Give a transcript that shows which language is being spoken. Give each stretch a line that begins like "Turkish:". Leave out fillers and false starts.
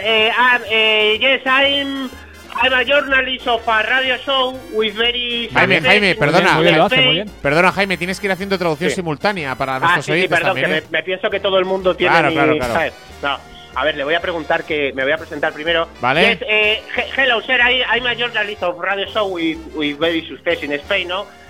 English: Yes, I'm a journalist of a radio show with very...
Spanish: Jaime, perdona. Perdona, Jaime, tienes que ir haciendo traducción simultánea para nuestros oyentes. Sí, perdón, también, que me pienso que todo el mundo tiene... Claro. A ver, le voy a preguntar que... Me voy a presentar primero. Vale.
English: Yes, hello, sir, I'm a journalist of radio show with very success in Spain, ¿no?